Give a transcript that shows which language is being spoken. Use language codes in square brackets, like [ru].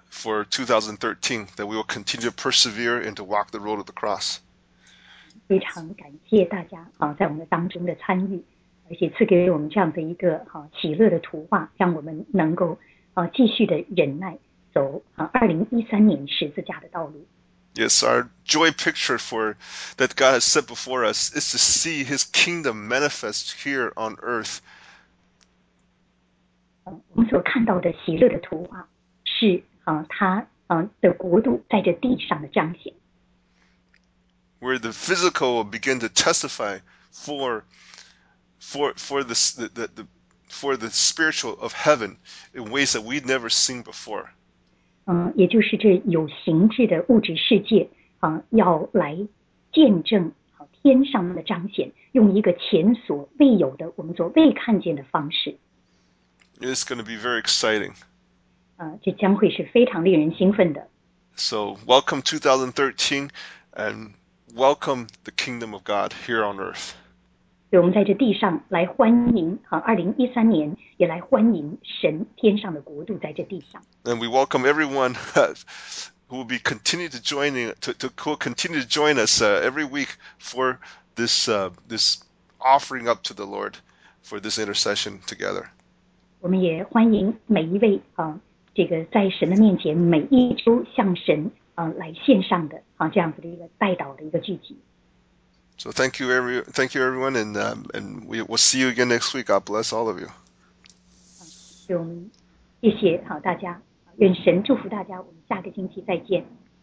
[en] For 2013, that we will continue to persevere and to walk the road of the cross. [zh] 非常感谢大家在我们当中的参与，而且赐给我们这样的一个喜乐的图画，让我们能够继续的忍耐走2013年十字架的道路。 [en] Yes, our joy picture for that God has set before us is to see His kingdom manifest here on earth. [zh] 我们所看到的喜乐的图画是。的国度在这地上的彰显。 [en] Where the physical will begin to testify for the spiritual of heaven in ways that we'd never seen before. [zh] 也就是这有形质的物质世界要来见证天上的彰显，用一个前所未有的我们所未看见的方式。 [en] It's going to be very exciting. [zh] 这将会是非常令人兴奋的。 [en] So welcome 2013, and welcome the kingdom of God here on earth. [zh] 我们在这地上来欢迎2013年，也来欢迎神天上的国度在这地上。 [en] And we welcome everyone who will be continue to join us every week for this offering up to the Lord for this intercession together. [zh] 我们也欢迎每一位这个在神的面前每一周向神来献上的这样子的一个代祷的一个聚集。 [en] So thank you everyone, and we will see you again next week. God bless all of you. [zh] 谢谢大家，愿神祝福大家，我们下个星期再见。